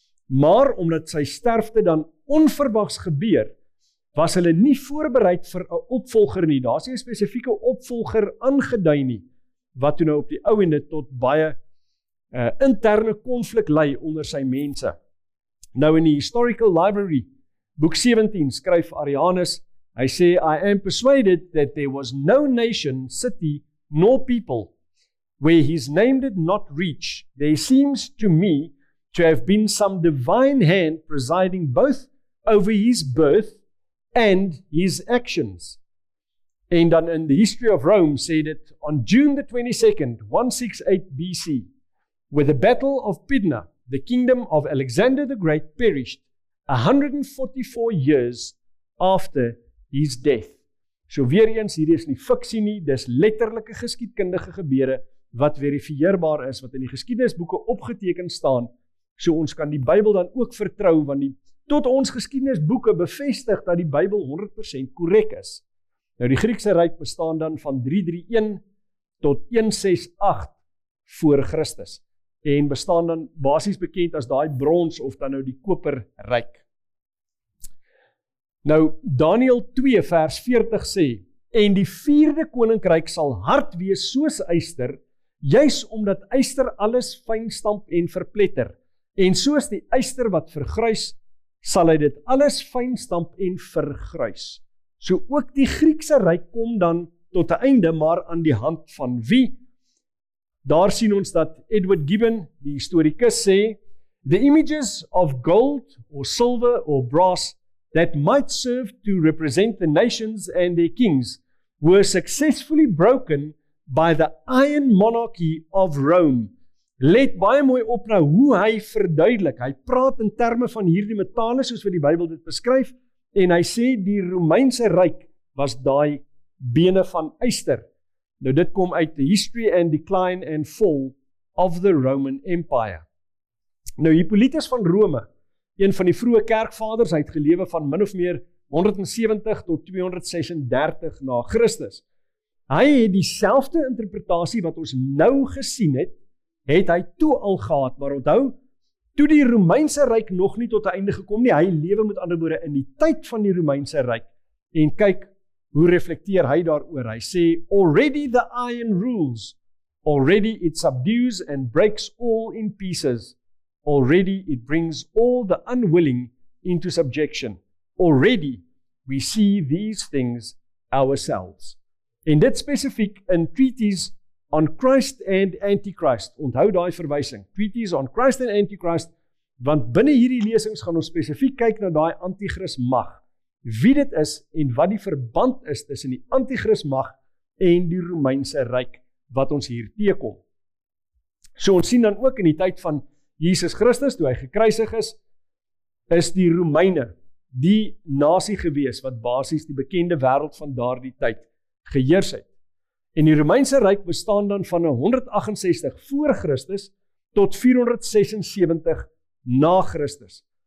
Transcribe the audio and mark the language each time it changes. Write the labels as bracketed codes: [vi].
[af] Maar omdat sy sterfte dan onverwags gebeur, was hulle nie voorbereid vir 'n opvolger nie. Daar is nie 'n spesifieke opvolger aangedui nie, wat toe nou op die ou en dit tot baie interne konflik lei onder sy mense. Nou in die [en] Historical Library, [af] boek 17, skryf Arianus, hy sê, [en] I am persuaded that there was no nation, city, nor people, where his name did not reach. There seems to me to have been some divine hand presiding both over his birth and his actions. [af] En dan in [en] the History of Rome [af] sê dit, [en] on June the 22nd, 168 BC, with the Battle of Pydna, the kingdom of Alexander the Great perished 144 years after his death. [af] So weer eens, hier is nie fiksie nie, dis letterlike geskiedkundige gebeure wat verifieerbaar is, wat in die geskiedenisboeke opgeteken staan, so ons kan die Bybel dan ook vertrou, want die tot ons geskiedenisboeke bevestig dat die Bybel 100% korrek is. Nou die Griekse Ryk bestaan dan van 331 tot 168 voor Christus. En bestaan dan basies bekend as daai brons of dan nou die koper ryk. Nou Daniël 2 vers 40 sê, en die vierde koninkryk sal hard wees soos yster, juis omdat yster alles fyn stamp en verpletter. En soos die yster wat vergrys, sal hy dit alles fyn stamp en vergrys. So ook die Griekse ryk kom dan tot 'n einde, maar aan die hand van wie? Daar sien ons dat Edward Gibbon, die historikus, sê, [en] the images of gold or silver or brass that might serve to represent the nations and their kings were successfully broken by the iron monarchy of Rome. [af] Let baie mooi op nou hoe hy verduidelik. Hy praat in terme van hierdie metale soos wat die Bybel dit beskryf en hy sê die Romeinse Ryk was daai bene van yster. Nou dit kom uit the History and Decline and Fall of the Roman Empire. Nou Hippolytus van Rome, een van die vroeë kerkvaders, hy het gelewe van min of meer 170 tot 236 na Christus. Hy het dieselfde interpretasie wat ons nou gesien het, het hy toe al gehad, maar onthou, toe die Romeinse Ryk nog nie tot 'n einde gekom nie, hy lewe met ander woorde in die tyd van die Romeinse Ryk en kyk, hoe reflekteer hy daaroor? Hy sê, [en] already the iron rules, already it subdues and breaks all in pieces, already it brings all the unwilling into subjection, already we see these things ourselves. [af] En dit spesifiek in Treatise on Christ and Antichrist, onthou daai verwysing, Treatise on Christ and Antichrist, want binne hierdie lesings gaan ons spesifiek kyk na daai antichrist mag, wie dit is en wat die verband is tussen die antichrist mag en die Romeinse Ryk wat ons hier teekom. So ons sien dan ook in die tyd van Jesus Christus, toe hy gekruisig is, is die Romeine die nasie gewees wat basies die bekende wêreld van daardie tyd geheers het. En die Romeinse Ryk bestaan dan van 168 voor Christus tot 476 na Christus.